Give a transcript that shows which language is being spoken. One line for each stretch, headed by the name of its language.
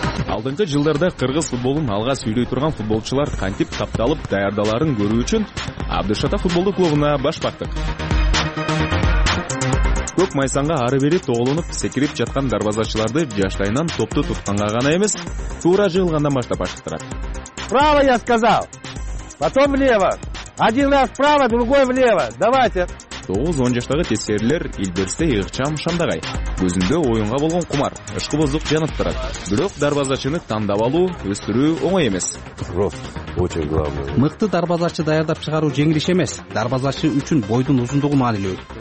Kyrgyz: Алдыңкы жылдарда кыргыз футболун алга сүйлөй турган футболчулар кантип тапталып даярдаларын көрүү үчүн Абдышата футболдук клубуна баш бактык. Көк майсанга ары бери тоолонуп секирип жаткан дарбазачыларды жаштайынан топту тутканга гана эмес, туура жыйылгандан баштап ашыктырат.
Russian: Право я сказал, потом влево. Один раз право, другой влево. Давайте.
Kyrgyz: 9-10 жаштагы тескерлер Илберсте ыкчам шамдагай. Көзүндө оюнга болгон кумар, ышкы боздук жанып турат. Бирок дарбазачыны тандап алуу, өстүрүү оңой эмес.
Russian: Очень главное.
Kyrgyz: Мыкты дарбазачы даярдап чыгаруу жеңилиш эмес. Дарбазачы үчүн бойдун узундугу маанилүү.